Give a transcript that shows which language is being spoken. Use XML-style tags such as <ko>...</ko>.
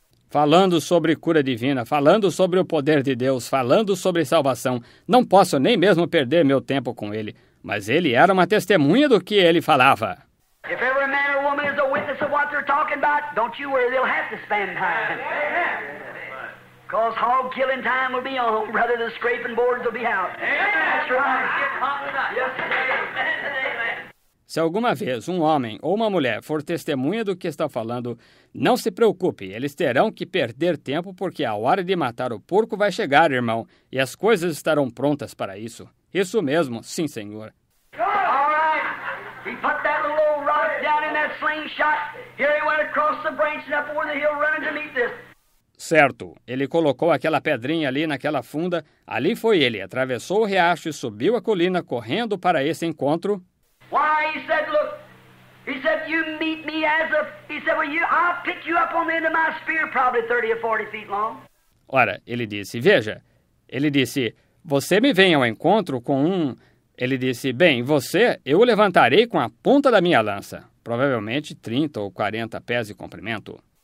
<pt>Falando sobre cura divina, falando sobre o poder de Deus, falando sobre salvação, não posso nem mesmo perder meu tempo com ele. Mas ele era uma testemunha do que ele falava.</pt> <en>If every man or woman is a witness of what they're talking about, don't you worry, they'll have to spend time. Because hog killing time will be on, rather than scraping boards will be out. That's right.</en> <pt>Se alguma vez um homem ou uma mulher for testemunha do que está falando, não se preocupe, eles terão que perder tempo porque a hora de matar o porco vai chegar, irmão, e as coisas estarão prontas para isso. Isso mesmo, sim, senhor.</pt> <en>All right. He put that little old rock down in that slingshot. Here he went across the branch and up over the hill running to meet this.</en> <pt>Certo, ele colocou aquela pedrinha ali naquela funda. Ali foi ele, atravessou o riacho e subiu a colina correndo para esse encontro.</pt> <en>Why, he said, look. He said, you meet me as a... He said, well, I'll pick you up on the end of my spear, probably 30 or 40 feet long.</en> <pt>Ora, ele disse, veja. Ele disse, você me vem ao encontro com um... Ele disse, bem, você, eu o levantarei com a ponta da minha lança. Provavelmente 30 ou 40 pés de comprimento.</pt>